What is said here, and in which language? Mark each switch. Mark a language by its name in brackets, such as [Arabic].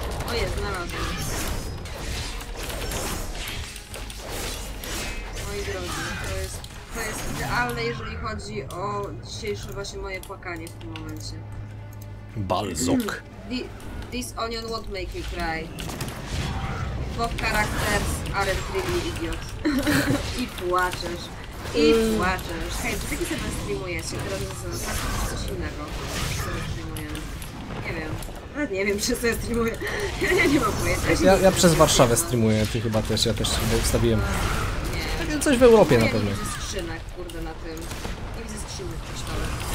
[Polish] O, jest, na razie. Moi drodzy, to jest idealne, jeżeli chodzi o dzisiejsze właśnie moje płakanie w tym momencie. Balzok. [English] This onion won't make you cry. Bo characters aren't really idiots. [Polish] I płaczesz. I płaczesz. Hej, to taki sobie streamujecie. Teraz to jest coś innego. Co streamuję? Nie wiem. Nawet nie wiem, czy sobie streamuję. Ja nie mam pojęcia. Ja przez Warszawę streamuję. Ty chyba też. Ja też chyba ustawiłem. Nie. Tak, coś w Europie na pewno. Nie widzę skrzynek, kurde, na tym. Nie widzę skrzynek w kościele.